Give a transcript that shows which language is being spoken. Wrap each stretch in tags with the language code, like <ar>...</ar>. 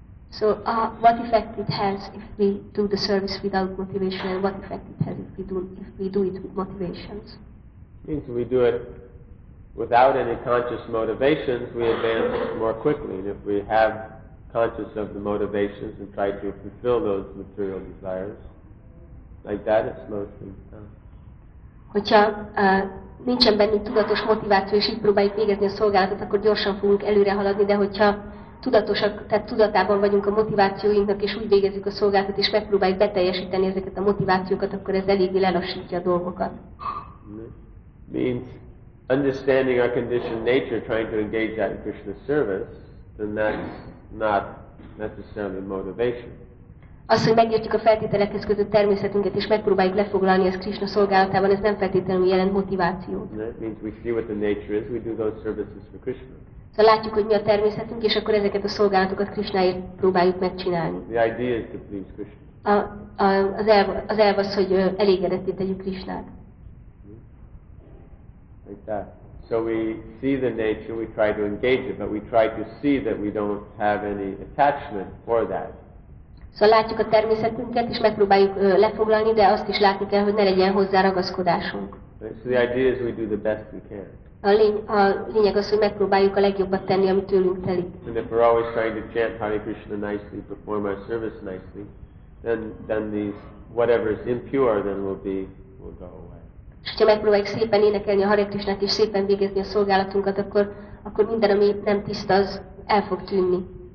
<en>So what effect it has if we do the service without motivation, and what effect it has if we do it with motivations? Means we do it without any conscious motivations, we advance more quickly. And if we have conscious of the motivations and try to fulfill those material desires, like that, it slows things down.</en> <hu>Hogyha nincsen bennünk tudatos motiváció, és így próbáljuk végezni a szolgálatot, akkor gyorsan fogunk előre haladni, de hogyha tudatosak, tehát tudatában vagyunk a motivációinknak, és úgy végezzük a szolgálatot, és megpróbáljuk beteljesíteni ezeket a motivációkat, akkor ez eléggé lelassítja a dolgokat.</hu> <en>Means understanding our conditioned nature, trying to engage that in Krishna's service, then that's not necessarily motivation.</en> <hu>Azt, hogy megértjük a feltételekhez kötött természetünket, és megpróbáljuk lefoglalni ezt Krishna szolgálatában, ez nem feltétlenül jelent motivációt.</hu> <en>That means we see what the nature is, we do those services for Krishna.</en> <hu>Szóval látjuk, hogy mi a természetünk, és akkor ezeket a szolgálatokat Krishnáért próbáljuk megcsinálni.</hu> <en>The idea is to please Krishna.</en> <hu>Az elv az, hogy elégedetté tegyük Krishnát.</hu> <en>Like that. So we see the nature, we try to engage it, but we try to see that we don't have any attachment for that.</en> <hu>So látjuk a természetünket, és megpróbáljuk lefoglalni, de azt is látni kell, hogy ne legyen hozzá ragaszkodásunk.</hu> <en>So the idea is we do the best we can.</en> <hu>A lényeg az, hogy megpróbáljuk a legjobbat tenni, ami tőlünk telik.</hu> <en>And if we're always trying to chant Hare Krishna nicely, perform our service nicely, then these whatever is impure then will go away.</en> <hu>És ha megpróbáljuk szépen énekelni a Hare Krishnát és szépen végezni a szolgálatunkat, akkor minden, ami nem tiszta, az el fog tűnni.</hu>